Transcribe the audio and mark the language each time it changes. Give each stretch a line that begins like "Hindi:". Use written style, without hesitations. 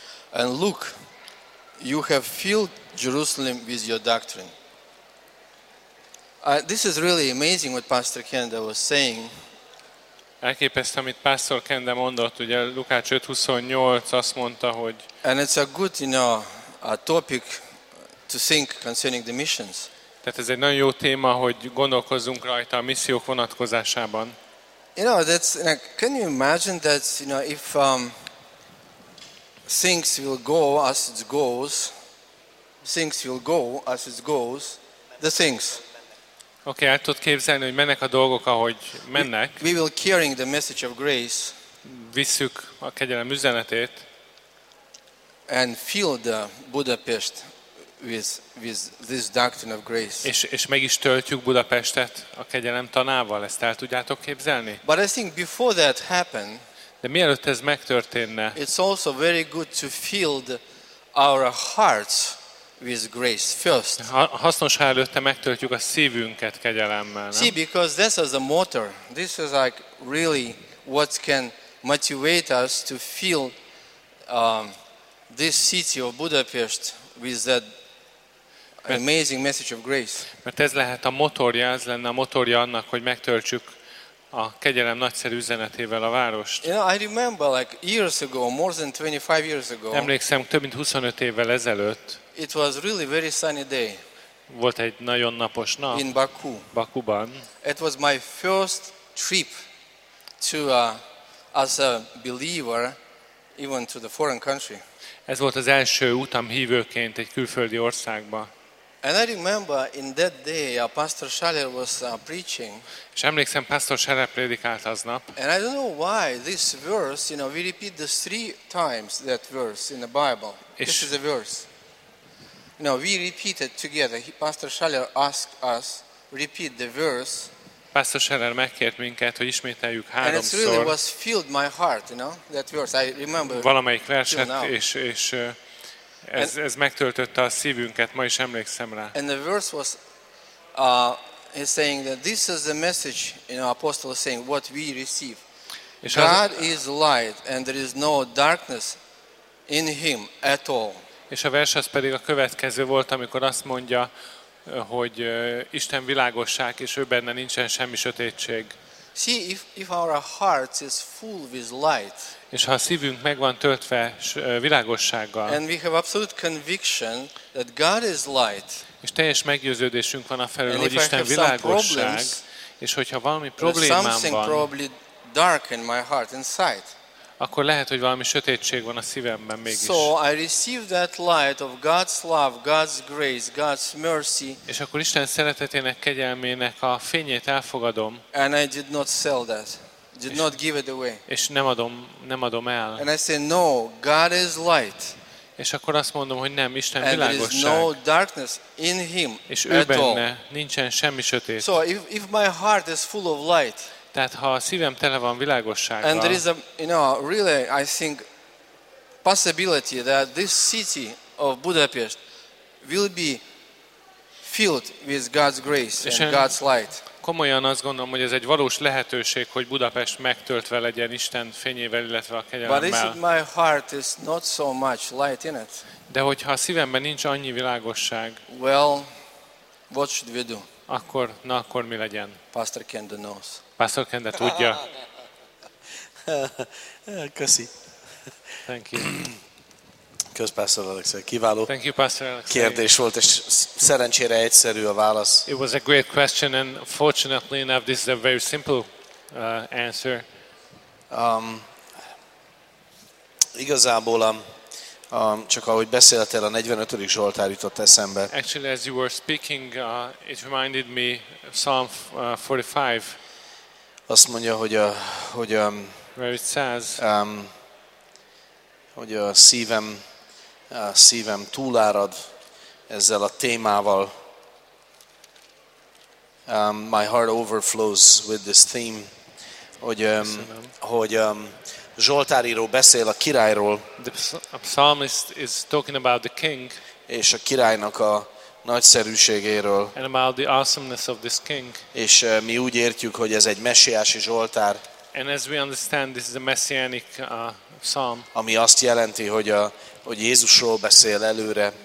English: And look, you have filled Jerusalem with your doctrine. This is really amazing what Pastor Kenda was saying.
Hungarian: Elképesztő, amit Pastor Kenda mondott, ugye Lukács 5:28 azt mondta, hogy.
English: And it's a good, you know, a topic to think concerning the missions.
Hungarian: Tehát ez egy nagyon jó téma, hogy gondolkozzunk rajta a missziók vonatkozásában.
English: You know, that's like, can you imagine that, you know, if things will go as it goes, the things.
Hungarian: Okay, el tudod képzelni, hogy mennek a dolgok, ahogy mennek.
English: We will carrying the message of grace.
Hungarian: Visszük a kegyelem üzenetét.
English: And fill the Budapest with this doctrine of grace.
Hungarian: És meg is töltjük Budapestet a kegyelem tanával. Ezt el tudjátok képzelni?
English: But I think before that happened.
Hungarian: De mielőtt ez megtörténne.
English: It's also very good to fill our hearts with grace first.
Hungarian: Hasznos, ha előtte megtöltjük a szívünket kegyelemmel. Nem?
English: See, because this is the motor. This is like really what can motivate us to fill this city of Budapest with that amazing message of grace.
Hungarian: Mert ez lehet a motorja, ez lenne a motorja annak, hogy megtöltsük a kegyelem nagyszerű üzenetével a várost.
English: You know, I remember like years ago, more than 25 years ago.
Hungarian: Emlékszem, több mint 25 évvel ezelőtt.
English: It was really very sunny day.
Hungarian: Volt egy nagyon napos nap.
English: In Baku.
Hungarian: Bakuban.
English: It was my first trip to as a believer, even to the foreign country.
Hungarian: Ez volt az első utam hívőként egy külföldi országba.
English: And I remember in that day, Pastor Schaller was preaching.
Hungarian: És emlékszem, Pastor Schaller prédikált aznap.
English: And I don't know why this verse, you know, we repeat this three times, that verse in the Bible. This is a verse. No, we repeat it together. Pastor Schaller asked us repeat the verse.
Hungarian: Pastor Schaller megkért minket, hogy ismételjük háromszor.
English: And it really was filled my heart, you know, that verse. I remember.
Hungarian: Valamelyik verset, és ez megtöltötte a szívünket, ma is emlékszem rá.
English: And the verse was he's saying that this is the message, you know, apostle is saying what we receive. God is light and there is no darkness in him at all.
Hungarian: És a vers az pedig a következő volt, amikor azt mondja, hogy Isten világosság, és ő benne nincsen semmi sötétség.
English: See, if our heart is full with light,
Hungarian: és ha a szívünk meg van töltve világossággal,
English: and we have absolute conviction that God is light,
Hungarian: és teljes meggyőződésünk van a felől, hogy Isten világosság, és hogyha valami problémám
English: something
Hungarian: van,
English: probably dark in my heart inside,
Hungarian: akkor lehet, hogy valami sötétség van a szívemben mégis.
English: So I receive that light of God's love, God's grace, God's mercy.
Hungarian: És akkor Isten szeretetének, kegyelmének a fényét elfogadom.
English: And I did not sell that. Did not give it away.
Hungarian: És nem adom el.
English: And I say no, God is light.
Hungarian: És akkor azt mondom, hogy nem, Isten világosság.
English: There is no darkness in him.
Hungarian: És ő benne nincsen semmi sötét.
English: So if my heart is full of light.
Hungarian: Tehát ha a szívem tele van világossággal.
English: And there is a, you know, really I think possibility that this city of Budapest will be filled with God's grace and God's light.
Hungarian: Komolyan azt gondolom, hogy ez egy valós lehetőség, hogy Budapest megtöltve legyen Isten fényével, illetve a kegyelemmel.
English: But is it my heart is not so much light in it?
Hungarian: De hogyha a szívemben nincs annyi világosság.
English: Well, what should we do?
Hungarian: Akkor mi legyen?
English: Pastor Kendall knows.
Hungarian: Pastor Kenda tudja. Köszi.
English: Thank you.
Hungarian: Kösz, Pastor Alexei. Kiváló.
English: Thank you, Pastor Alexei.
Hungarian: Kérdés volt, és szerencsére egyszerű a válasz.
English: It was a great question, and fortunately enough, this is a very simple answer.
Hungarian: Igazából csak ahogy beszéltél, a 45. Zsoltár jutott eszembe.
English: Actually, as you were speaking, it reminded me of Psalm 45.
Hungarian: Azt mondja, hogy
English: where it says,
Hungarian: hogy a szívem túlárad ezzel a témával.
English: My heart overflows with this theme.
Hungarian: Zsoltáríró beszél a királyról.
English: The psalmist is talking about the king.
Hungarian: És a királynak a nagyszerűségéről.
English: And about the awesomeness of this king.
Hungarian: És mi úgy értjük, hogy ez egy messiási zsoltár.
English: And as we understand, this is a messianic psalm.
Hungarian: Ami azt jelenti, hogy Jézusról beszél előre.